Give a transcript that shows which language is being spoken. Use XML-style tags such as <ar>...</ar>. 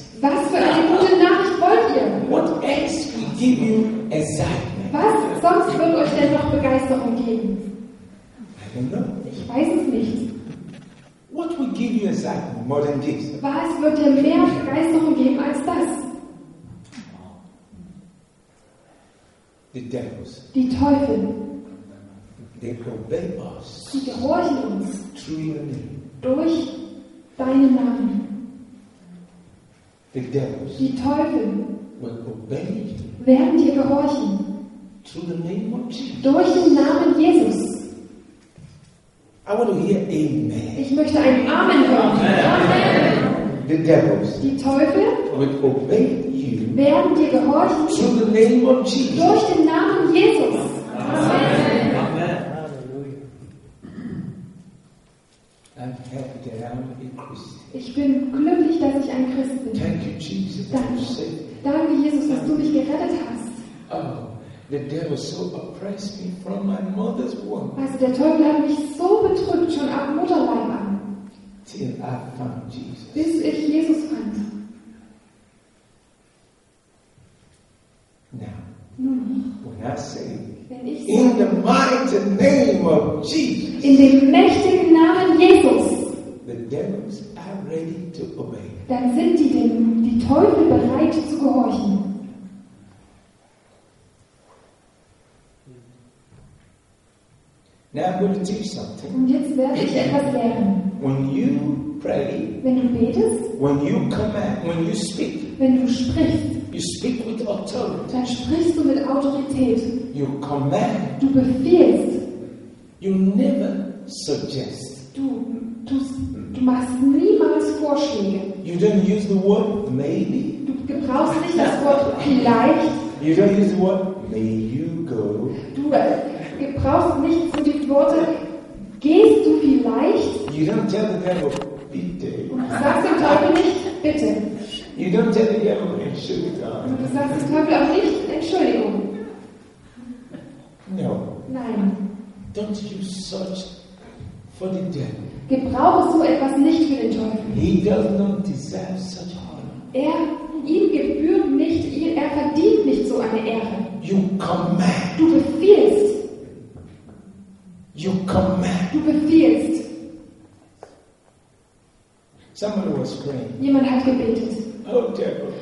<de>Was für eine gute Nachricht wollt ihr?</de> <en>What else will give you excitement?</en> <de>Was sonst wird euch denn noch Begeisterung geben? Ich weiß es nicht.</de> <en>What will give you excitement more than this?</en> <de>Was wird dir mehr Begeisterung geben als das?</de> <en>The devils.</en> <de>Die Teufel.</de> <en>They obey us.</en> <de>Sie gehorchen uns.</de> <en>Through your name.</en> <de>Durch deinen Namen.</de> <en>The devils.</en> <de>Die Teufel.</de> <en>Will obey.</en> <de>Werden dir gehorchen.</de> <en>Through the name of Jesus.</en> <de>Durch den Namen Jesus.</de> <en>I want to hear amen.</en> <de>Ich möchte ein Amen hören.</de> <en>Amen. The devils.</en> <de>Die Teufel.</de> <en>Will obey you.</en> <de>Werden dir gehorchen.</de> <en>Through the name of Jesus.</en> <de>Durch den Namen Jesus. Amen. Amen. Amen. Hallelujah.</de> <en>I'm happy that I'm a Christian.</en> <de>Ich bin glücklich, dass ich ein Christ bin.</de> <en>Thank you, Jesus.</en> <de>Danke. Danke, Jesus, dass du mich gerettet hast. Oh.</de> <en>The devil so oppressed me from my mother's womb.</en> <de>Also der Teufel hat mich so bedrückt schon ab Mutterleib an.</de> <en>Till I found Jesus.</en> <de>Bis ich Jesus fand.</de> <en>Now, When I say,</en> <de>wenn ich</de> <en>in the mighty name of Jesus,</en> <de>in dem mächtigen Namen Jesus,</de> <en>the devils are ready to obey.</en> <de>Dann sind die Teufel bereit zu gehorchen.</de> <en>Now I'm going to teach something.</en> <de>Und jetzt werde ich etwas lernen.</de> <en>When you pray,</en> <de>wenn du betest,</de> <en>when you command, when you speak,</en> <de>wenn du sprichst,</de> <en>you speak with authority.</en> <de>Dann sprichst du mit Autorität.</de> <en>You command.</en> <de>Du befiehlst.</de> <en>You never suggest.</en> <de>Du machst niemals Vorschläge.</de> <en>You don't use the word maybe.</en> <de>Du gebrauchst nicht das Wort vielleicht.</de> <en>You don't use the word may you go.</en> <de>Du brauchst nicht zu den Worten, gehst du vielleicht?</de> <en>You don't tell the devil, bitte.</en> <de>Und sagst dem Teufel nicht, bitte.</de> <en>You don't tell the devil, Entschuldigung.</en> <de>Und du sagst dem Teufel auch nicht, Entschuldigung.</de> <en>No.</en> <de>Nein.</de> <en>Don't you search for the devil.</en> <de>Gebrauche so etwas nicht für den Teufel.</de> <en>He does not deserve such honor.</en> <de>Ihm gebührt nicht, er verdient nicht so eine Ehre.</de> <en>You command.</en> <de>Du befiehlst.</de> <en>You command.</en> <de>Du befiehlst.</de> <en>Somebody was praying.</en> <de>Jemand hat gebetet.</de> <en>Oh devil.</en>